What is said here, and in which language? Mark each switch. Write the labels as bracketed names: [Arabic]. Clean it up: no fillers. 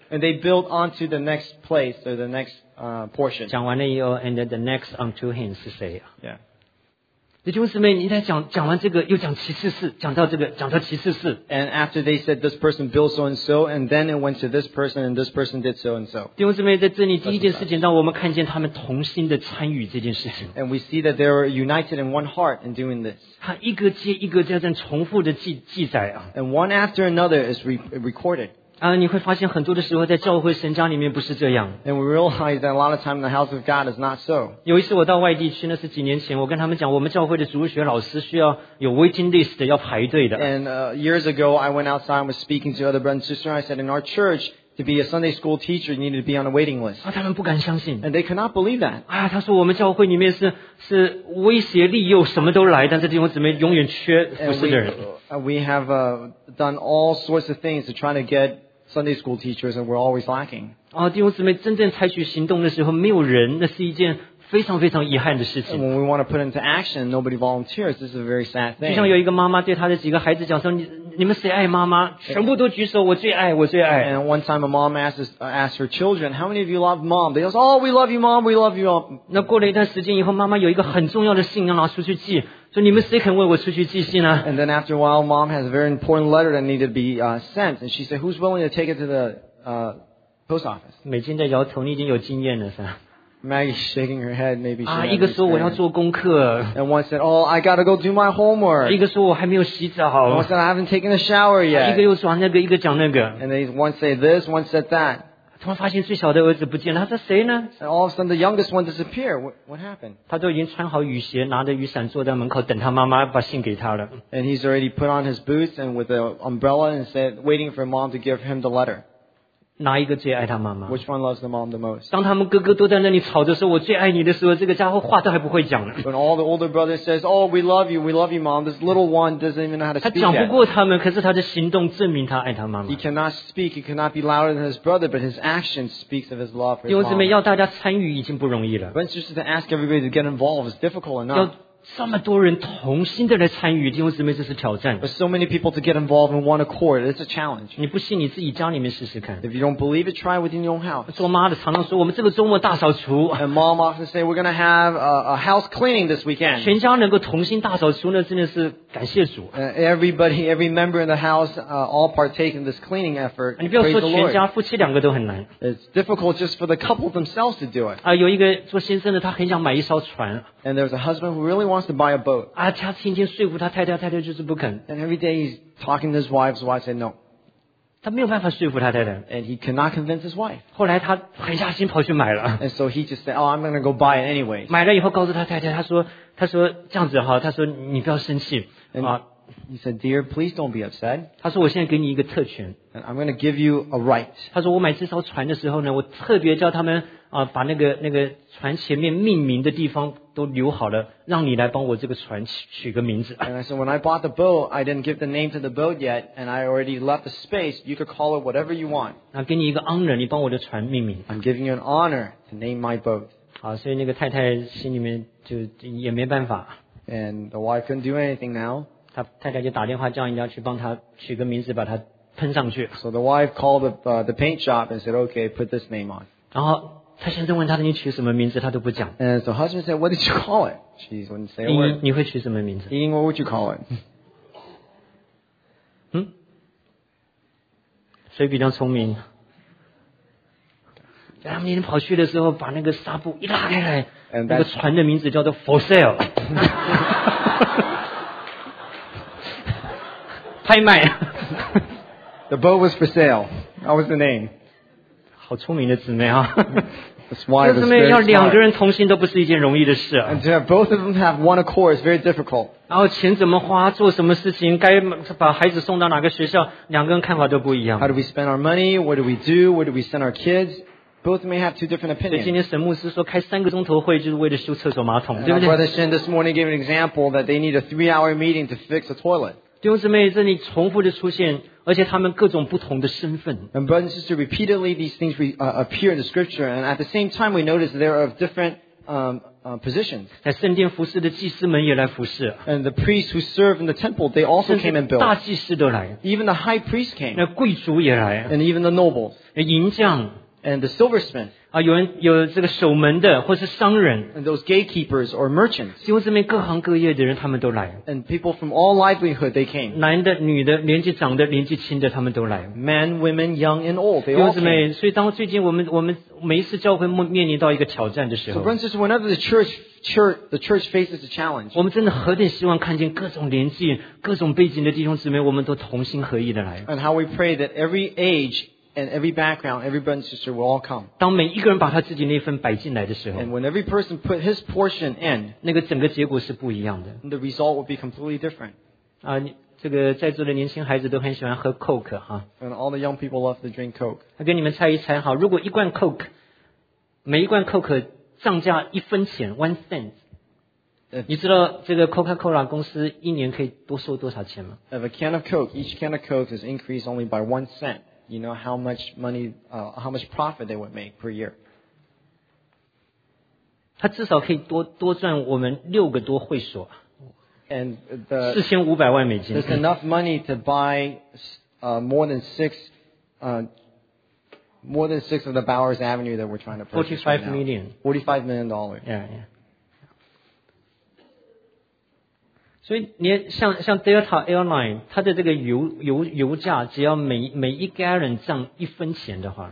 [English] And they built onto the next place or the next portion. [Chinese] 讲完了以后 ， [English] and the next unto him [Chinese] 是谁 [English] ？Yeah. [Chinese] 弟兄姊妹，你在讲完这个，又讲其次是，讲到这个，讲到其次是。 [English] And after they said this person built so and so, and then it went to this person, and this person did so and so. [Chinese] 弟兄姊妹，在这里第一件事情让我们看见他们同心的参与这件事情。 [English] And we see that they were united in one heart in doing this. [Chinese] 他一个接一个这样重复的记载啊。 [English] And one after another is recorded. [Chinese] 你会发现很多的时候在教会神家里面不是这样。 [English] And we realize that a lot of time in the house of God is not so. [Chinese] 有一次我到外地去那是几年前我跟他们讲我们教会的主日学老师需要有 [English] waiting list, [Chinese] 要排队的。 [English] And years ago, I went outside and was speaking to other brothers and sisters, and I said, in our church, to be a Sunday school teacher, you needed to be on a waiting list. [Chinese] 他们不敢相信。 [English] And they could not believe that. [Chinese] 他说我们教会里面是威胁利诱什么都来但是弟兄姊妹永远缺服侍的人。 [English] We have done all sorts of things to try to getSunday school teachers, and we're always lacking. [Chinese] 弟兄姊妹，真正采取行动的时候，没有人，那是一件非常非常遗憾的事情。 [English] When we want to put into action, nobody volunteers. This is a very sad thing. [Chinese] 就像有一个妈妈对她的几个孩子讲说，你们谁爱妈妈？全部都举手，我最爱，我最爱。 [English] And one time, a mom asked her children, "How many of you love mom?" They goes, "Oh, we love you, mom. We love you all." [Chinese] 那过了一段时间以后，妈妈有一个很重要的信要拿出去寄。 So, 你们谁肯为我出去寄信呢? [English] And then after a while, mom has a very important letter that needed to be sent. And she said, who's willing to take it to the post office? [Chinese] 美金在摇头，你已经有经验了，是吧? [English] Maggie's shaking her head, maybe she's. [Chinese] 一个说我要做功课。 [English] And one said, oh, I gotta go do my homework. [Chinese] 一个说我还没有洗澡。 [English] And one said, I haven't taken a shower yet. [Chinese] 一个又说那个，一个讲那个。 [English] And they one said this, one said that. [Chinese] 突然发现最小的儿子不见了，他说谁呢？ [English] And all of a sudden, the youngest one disappeared. What happened? [Chinese] 他都已经穿好雨鞋，拿着雨伞坐在门口等他妈妈把信给他了。 [English] And he's already put on his boots and with an umbrella and said, waiting for mom to give him the letter. [Chinese] 哪一个最爱他妈妈？ [English] Which one loves the mom the most? [Chinese] 当他们哥哥都在那里吵着说我最爱你的时候，这个家伙话都还不会讲呢。 [English] When all the older brother says, oh, we love you, mom. This little one doesn't even know how to speak. [Chinese] 他讲不过他们，可是他的行动证明他爱他妈妈。 [English] He cannot speak. He cannot be louder than his brother, but his action speaks of his love for his mom. [Chinese] 弟兄姊妹，要大家参与已经不容易了。 [English] But just to ask everybody to get involved is difficult enough. [Chinese] 要这么多人同心的来参与，弟兄姊妹，这是挑战。 [English] But so many people to get involved in one accord, it's a challenge. [Chinese] 你不信，你自己家里面试试看。 [English] If you don't believe it, try within your own house. [Chinese] 做妈的常常说，我们这个周末大扫除。 [English] And mom often say we're going to have a house cleaning this weekend. [Chinese] 全家能够同心大扫除呢，真的是感谢主。 [English] Everybody, every member in the house, all partake in this cleaning effort. [Chinese] 你不要说全家，夫妻两个都很难。 [English] It's difficult just for the couple themselves to do it. [Chinese] 有一个做先生的，他很想买一艘船。 [English] And there's a husband who really wants to buy a boat. [Chinese] 他天天说服他太太，太太就是不肯。 [English] And every day he's talking to his wife, his wife said no. [Chinese] 他没有办法说服他太太。 [English] And he cannot convince his wife. [Chinese] 后来他狠下心跑去买了。 [English] And so he just said, oh, I'm going to go buy it anyway. [Chinese] 买了以后告诉他太太，他说这样子哈，他说你不要生气。 [English] And he said, dear, please don't be upset. [Chinese] 他说我现在给你一个特权。 [English] And I'm going to give you a right. [Chinese] 他说我买这艘船的时候呢，我特别叫他们把那个船前面命名的地方都留好了，让你来帮我这个船取个名字。 [English] And I said, when I bought the boat, I didn't give the name to the boat yet, and I already left the space. You could call it whatever you want. [Chinese] 那给你一个 honor, 你帮我的船命名。 [English] I'm giving you an honor to name my boat. [Chinese] 好，所以那个太太心里面就也没办法。 [English] And the wife couldn't do anything now. [Chinese] 她太太就打电话叫人家去帮她取个名字，把它喷上去。 [English] So the wife called the paint shop and said, okay, put this name on. [Chinese] 然后他先生问他你取什么名字，他都不讲。 [English] And so husband said, what did you call it? She wouldn't say a word. [Chinese] 你会取什么名字？ [English] Ian, what would you call it? [Chinese] 谁比较聪明？他们今天跑去的时候，把那个纱布一拉开来，那个船的名字叫做 For Sale。拍卖。 [English] The boat was for sale. That was the name. [Chinese] 好聪明的姊妹啊！弟兄们，要两个人同心都不是一件容易的事。 [English] And both of them have one accord is very difficult. [Chinese] 然后钱怎么花，做什么事情，该把孩子送到哪个学校，两个人看法都不一样。 [English] How do we spend our money? What do we do? Where do we send our kids? Both may have two different opinions. [Chinese] 所以今天沈牧师说开三个钟头会就是为了修厕所马桶，对不对？ [English] My brother Shen this morning gave an example that they need a three-hour meeting to fix a toilet. [Chinese] 弟兄姊妹，这里重复的出现。而且他们各种不同的身份。 [English] And brothers and sisters, repeatedly these things appear in the scripture, and at the same time we notice they're of different positions. [Chinese] 在圣殿服侍的祭司们也来服侍。 [English] And the priests who serve in the temple, they also came and built. [Chinese] 大祭司都来。 [English] Even the high priest came. [Chinese] 那贵族也来。 [English] And even the nobles. [Chinese] 银匠。 [English] And the silversmith. [Chinese] 有人有这个守门的或是商人。 [English] And those gatekeepers or merchants. [Chinese] 弟兄姊妹各行各业的人他们都来。 [English] And people from all livelihood, they came. [Chinese] 男的女的年纪长的年纪轻的他们都来。 [English] Men, women, young and old, they all came. [Chinese] 弟兄姊妹所以当最近我们每一次教会面临到一个挑战的时候。 [English] So brothers, whenever the church faces a challenge. [Chinese] 我们真的何等希望看见各种年纪各种背景的弟兄姊妹我们都同心合意的来。 [English] And how we pray that every age,And every background, every brother and sister will all come. [Chinese] 当每一个人把他自己那份摆进来的时候 [English] ，And when every person put his portion in, [Chinese] 那个整个结果是不一样的。 [English] The result will be completely different. [Chinese] 这个在座的年轻孩子都很喜欢喝 Coke 哈。 [English] And all the young people love to drink Coke. [Chinese] 我给你们猜一猜哈，如果一罐 Coke， 每一罐 Coke 涨价一分钱 [English] one cent， [Chinese] 你知道这个 Coca-Cola 公司一年可以多收多少钱吗 [English] ？If a can of Coke, each can of Coke is increased only by one cent. You know how much money, how much profit they would make per year. [Chinese] 他至少可以多赚我们六个多会所。 [English] And there's enough money to buy more than six of the Bowers Avenue that we're trying to purchase. $45 million. $45 million. Yeah. [Chinese] 所以你像 Delta Airline, 它的这个油价只要每一gallon 涨一分钱的话。